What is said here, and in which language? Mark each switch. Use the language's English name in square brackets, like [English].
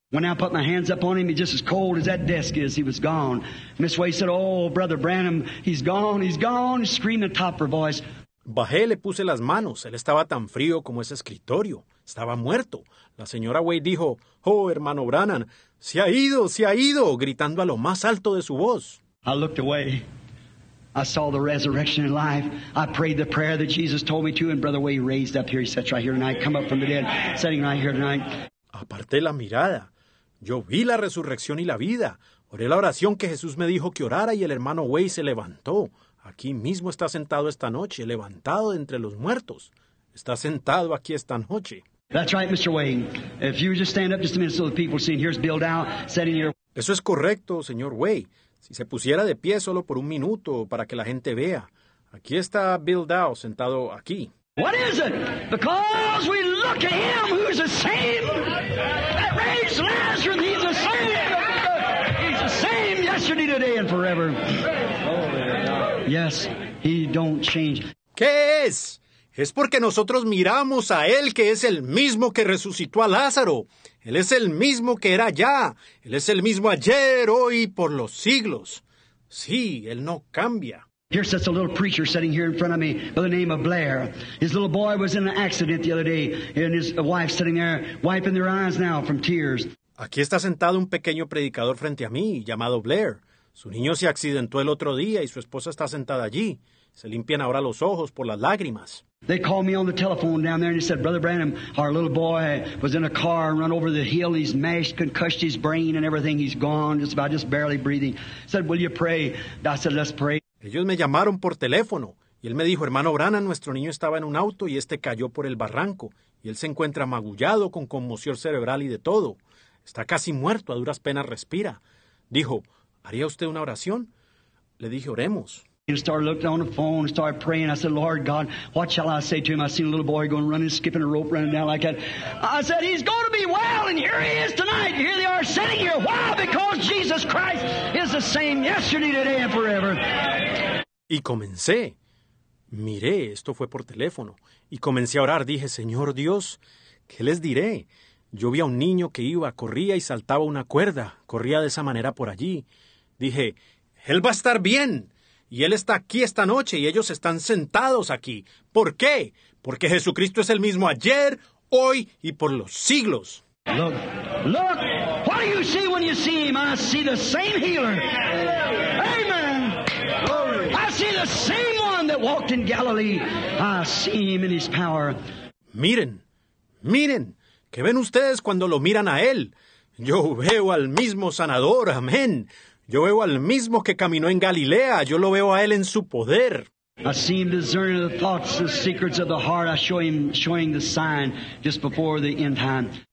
[English] When I put my hands up on him, he's just as cold as that desk is. He was gone. Miss Way said, oh, Brother Branham, he's gone, he's gone. He screamed at the top of her voice. [Spanish] Bajé, le puse las manos. Él estaba tan frío como ese escritorio. Estaba muerto. La señora Way dijo, oh, hermano Branham, se ha ido, gritando a lo más alto de su voz. [English] I looked away. I saw the resurrection and life. I prayed the prayer that Jesus told me to, and Brother Way raised up here. He sits right here tonight. Come up from the dead, sitting right here tonight. [Spanish] Aparté la mirada. Yo vi la resurrección y la vida. Oré la oración que Jesús me dijo que orara, y el hermano Way se levantó. Aquí mismo está sentado esta noche, levantado de entre los muertos. Está sentado aquí esta noche. [English] That's right, Mr. Way. If you just stand up just a minute so the people see, here's Bill Dow sitting here. [Spanish] Eso es correcto, señor Way. Si se pusiera de pie solo por un minuto para que la gente vea. Aquí está Bill Dow sentado aquí. [English] What is it? Because we look at him who's the same that raised Lazarus. He's the same. He's the same yesterday, today, and forever. Yes, he don't change. [Spanish] ¿Qué es? Es porque nosotros miramos a él que es el mismo que resucitó a Lázaro. Él es el mismo que era ya. Él es el mismo ayer, hoy, por los siglos. Sí, él no cambia. [English] Here sits a little preacher sitting here in front of me by the name of Blair. His little boy was in an accident the other day, and his wife sitting there wiping their eyes now from tears. [Spanish] Aquí está sentado un pequeño predicador frente a mí, llamado Blair. Su niño se accidentó el otro día y su esposa está sentada allí. Se limpian ahora los ojos por las lágrimas. [English] They called me on the telephone down there and they said, Brother Branham, our little boy was in a car and run over the hill. He's mashed, concussed his brain and everything. He's gone, just about, just barely breathing. Said, will you pray? I said, let's pray. [Spanish] Ellos me llamaron por teléfono. Y él me dijo, hermano Branham, nuestro niño estaba en un auto y este cayó por el barranco. Y él se encuentra magullado con conmoción cerebral y de todo. Está casi muerto, a duras penas respira. Dijo, ¿haría usted una oración? Le dije, oremos. [English] And started looking on the phone and started praying. I said, Lord God, what shall I say to him? I seen a little boy going running, skipping a rope, running down like that. I said, he's going to be well, and here he is tonight. Here they are sitting here. Why? Because Jesus Christ is the same yesterday, today, and forever. [Spanish] Y comencé. Miré, esto fue por teléfono. Y comencé a orar. Dije, Señor Dios, ¿qué les diré? Yo vi a un niño que iba, corría y saltaba una cuerda. Corría de esa manera por allí. Dije, él va a estar bien. Y él está aquí esta noche y ellos están sentados aquí. ¿Por qué? Porque Jesucristo es el mismo ayer, hoy y por los siglos. [English] Look, look, what do you see when you see him? I see the same healer. Amen. I see the same one that walked in Galilee. I see him in his power. [Spanish] Miren, miren, ¿qué ven ustedes cuando lo miran a él? Yo veo al mismo sanador, amén. Yo veo al mismo que caminó en Galilea. Yo lo veo a él en su poder. [English] I see him discerning the thoughts, the secrets of the heart. I show him showing the sign just before the end time.